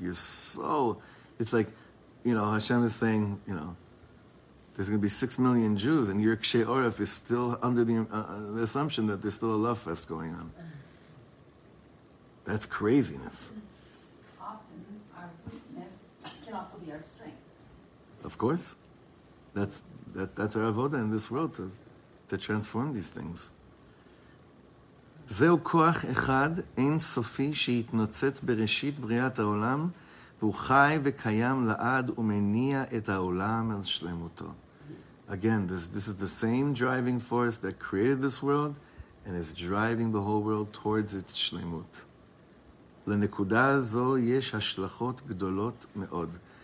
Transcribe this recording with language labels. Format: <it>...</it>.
<en>You're so, it's like, you know, Hashem is saying, you know, there's going to be 6 million Jews and your kshe oref is still under the assumption that there's still a love fest going on. That's craziness. Often our weakness can also be our strength. Of course. That's our avoda in this world to transform these things.</en> <he>זהו כוח אחד אין סופי שהתנוצץ בראשית בריאת העולם והוא חי וקיים לעד ומניע את העולם על שלמותו.</he> <en>Again, this is the same driving force that created this world and is driving the whole world towards its שלמות.</en> <he>לנקודה הזו יש השלכות גדולות מאוד.</he>